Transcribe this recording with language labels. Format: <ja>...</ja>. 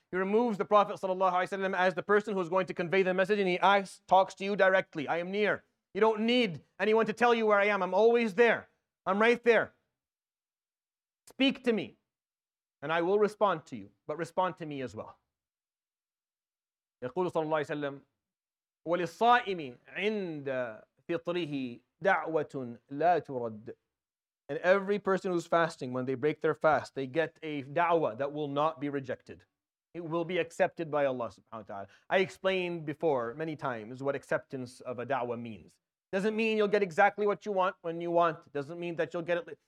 <en>He removes the Prophet sallallahu alayhi wa sallam as the person who is going to convey the message, and he talks to you directly. I am near. You don't need anyone to tell you where I am. I'm always there. I'm right there. Speak to me, and I will respond to you, but respond to me as well.</en> <ar>يقول صلى الله عليه وسلم وللصائم عند فطره دعوة لا ترد.</ar> <en>And every person who's fasting, when they break their fast, they get a da'wah that will not be rejected. It will be accepted by Allah subhanahu wa ta'ala. I explained before many times what acceptance of a da'wah means. Doesn't mean you'll get exactly what you want when you want. Doesn't mean that you'll get it.</en>